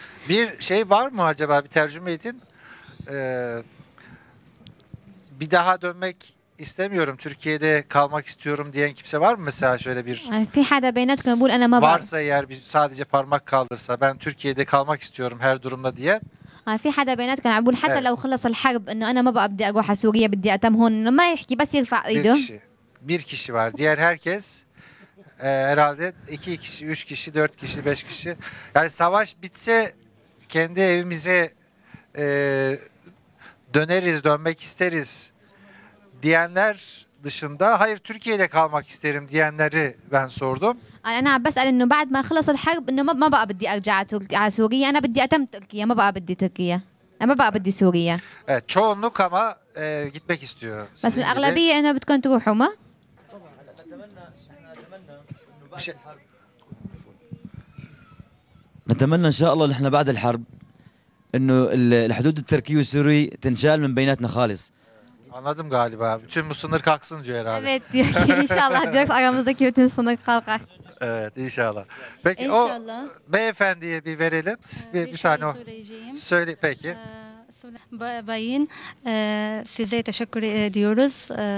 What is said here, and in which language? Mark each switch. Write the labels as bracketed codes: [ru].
[tr] Bir şey var mı acaba, bir tercüme edin? Bir daha dönmek istemiyorum, Türkiye'de kalmak istiyorum diyen kimse var mı mesela, şöyle bir varsa eğer, bir sadece parmak kaldırsa, ben Türkiye'de kalmak istiyorum her durumda diyen. [ar] في حدا بيناتكم عم بقول حتى لو خلص الحرب انه انا ما بقى بدي اروح على سوريا بدي اتم هون ما يحكي بس يرفع ايده [tr] bir kişi var. Diğer herkes herhalde 2 kişi, 3 kişi, 4 kişi, 5 kişi. Yani savaş bitse kendi evimize döneriz, dönmek isteriz diyenler dışında, hayır Türkiye'de kalmak isterim diyenleri ben sordum. [ar] انا عم بسال انه بعد ما خلص الحرب انه ما بقى بدي ارجع على سوريا انا بدي اتم تركيا ما بقى بدي تركيا انا ما بقى بدي سوريا [tr] evet, çoğunluk ama gitmek istiyor. [ar] بس الاغلبيه انه بدكم تروحوا ما طبعا نتمنى ان شاء الله نحن بعد الحرب انه الحدود التركيه والسوريه تنشال من بيناتنا خالص. [tr] Anladım galiba. Bütün bu sınır kalksın diyor herhalde. Evet diyor ki inşallah diyor ki aramızdaki bütün sınır kalkar. Evet inşallah. Peki inşallah. O beyefendiye bir verelim. Bir saniye. Söyle peki. Bayin, size teşekkür ediyoruz.